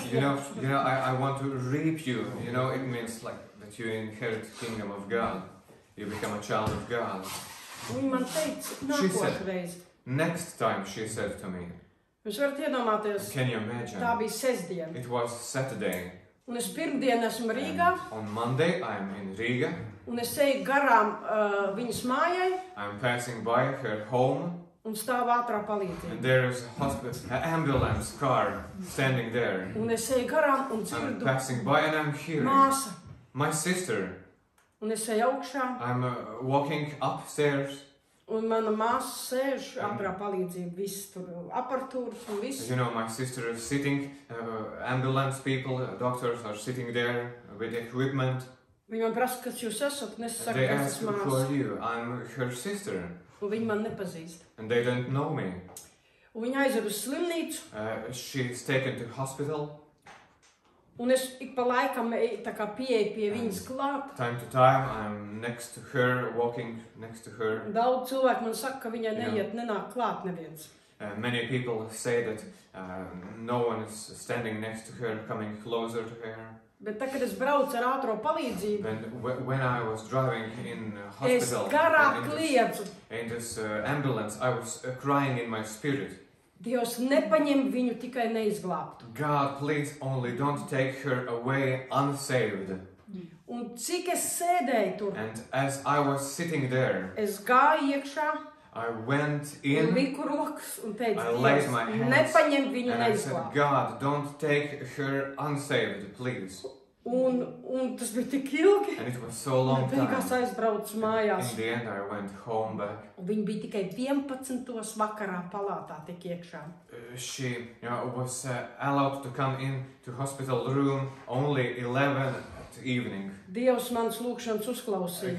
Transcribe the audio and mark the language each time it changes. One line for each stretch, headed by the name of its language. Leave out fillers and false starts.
Latvian: pestību.
English: You know, I want to reap you. You know, it means like that you inherit the kingdom of God. You become a child of God.
Latvian: Un man teica, nākošreiz.
English: Next time she said to me.
Latvian: Jūs varat iedomāties.
English: Can you imagine?
Latvian: Tā bija sestdiena.
English: It was Saturday.
Latvian: Un es pirmdien esmu Rīgā.
English: On Monday I'm in Riga.
Latvian: Un es eju garām viņas mājai.
English: I'm passing by her home.
Latvian: Un stāv ātrā palīdzība.
English: And there is a hospital, an ambulance car standing there.
Latvian: Un es eju garām un dzirdu.
English: I'm passing by and I'm hearing.
Latvian: Māsa.
English: My sister.
Latvian: Un es eju augšā.
English: I'm walking upstairs.
Latvian: Un mana māsa sēž ātrā palīdzība. Viss tur aparatūras un viss.
English: You know, my sister is sitting. Ambulance people, doctors are sitting there with equipment.
Latvian: Viņi man prasa, kas jūs esat. Un es saku, kas esmu māsa.
English: They ask, who are you? I'm her sister.
Latvian: Un viņi man nepazīst.
English: And they don't know me.
Latvian: Un viņa aizved uz slimnīcu.
English: She is taken to hospital.
Latvian: Un es ik pa laikam tā kā pieeju pie viņas klāt.
English: Time to time, I'm next to her, walking next to her.
Latvian: Daudz cilvēku man saka, ka viņa neiet, nenāk klāt neviens.
English: Many people say that no one is standing next to her, coming closer to her.
Latvian: Bet tā, kad es braucu ar ātro palīdzību,
English: when I was driving in hospital,
Latvian: es garā kliedzu.
English: In this ambulance, I was crying in my spirit.
Latvian: Dievs, nepaņem viņu, tikai neizglābtu.
English: God, please, only don't take her away unsaved.
Latvian: Un cik es sēdēju tur,
English: and as I was sitting there,
Latvian: es gāju iekšā,
English: I went in,
Latvian: un liku rokas, un teicu,
English: I laid my hands,
Latvian: nepaņem viņu
English: and
Latvian: neizglābt.
English: I said, God, don't take her unsaved, please.
Latvian: Un tas bija tik ilgi.
English: And it was so long time.
Latvian: Beigās aizbraucu mājās.
English: In the end, I went home back.
Latvian: Un viņa bija tikai 11. Vakarā palātā tik iekšā.
English: She was allowed to come in to hospital room only 11 at evening.
Latvian: Dievs manas lūkšanas uzklausīja.